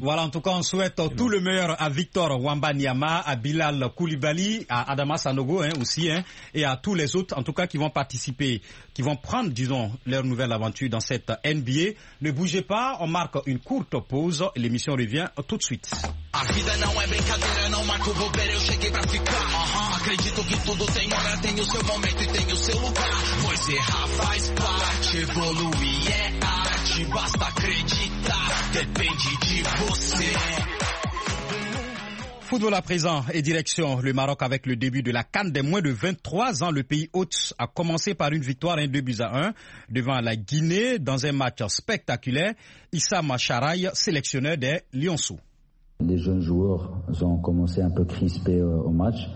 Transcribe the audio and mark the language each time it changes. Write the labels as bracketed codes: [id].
[fr] Voilà, en tout cas, on souhaite tout le meilleur à Victor Wembanyama, à Bilal Koulibaly, à Adama Sanogo et à tous les autres, en tout cas, qui vont participer, qui vont prendre, disons, leur nouvelle aventure dans cette NBA. Ne bougez pas, on marque une courte pause et l'émission revient tout de suite. [pt] Acredito que tudo tem hora, tem o seu momento e tem o seu lugar. Pois errar faz parte, evoluir é arte. Basta acreditar, depende de você. [fr] Football à présent et direction le Maroc avec le début de la CAN des moins de 23 ans. Le pays hôte a commencé par une victoire 2-1 devant la Guinée dans un match spectaculaire. Issa Macharay, sélectionneur des Lionceaux. Les jeunes joueurs ont commencé un peu crispés au match.